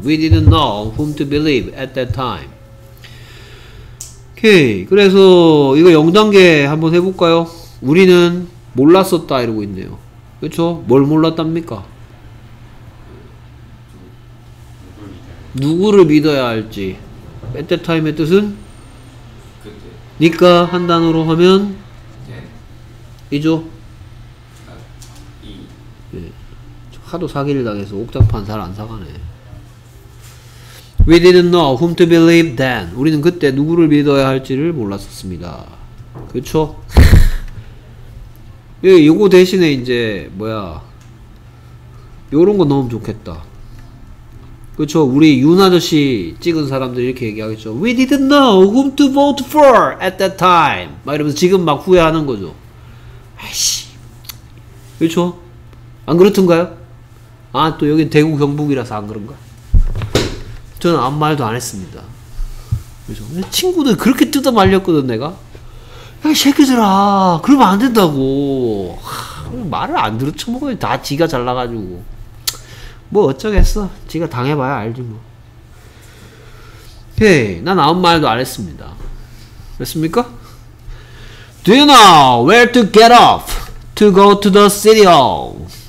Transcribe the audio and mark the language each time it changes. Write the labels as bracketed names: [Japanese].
[English] We didn't know whom to believe at that time. [Korean] 오케이. 그래서 이거 0단계 한번 해볼까요? 우리는 몰랐었다 이러고 있네요. 그렇죠? 뭘 몰랐답니까? 누구를 믿어야 할지. [English] At that time [Korean] 의 뜻은? 니까 한 단어로 하면? 이죠? 하도 사기를 당해서 옥장판 잘 안 사가네. [English] We didn't know whom to believe then. [Korean] 우리는 그때 누구를 믿어야 할지를 몰랐었습니다. 그쵸? 예, 요거 대신에 이제 뭐야 요런 거 너무 좋겠다. 그쵸? 우리 윤 아저씨 찍은 사람들이 이렇게 얘기하겠죠. [English] We didn't know whom to vote for at that time. [Korean] 막 이러면서 지금 막 후회하는 거죠. 아이씨. 그쵸? 안 그렇던가요? 아, 또 여긴 대구 경북이라서 안 그런가? 저는 아무 말도 안 했습니다. 그렇죠? 친구들 그렇게 뜯어 말렸거든 내가. 야 새끼들아 그러면 안 된다고. 하, 말을 안 들어 쳐먹어요. 다 지가 잘나가지고 뭐 어쩌겠어. 지가 당해봐야 알지 뭐. 헤이, 난 아무 말도 안 했습니다. 됐습니까? [English] Do you know where to get off to go to the city hall?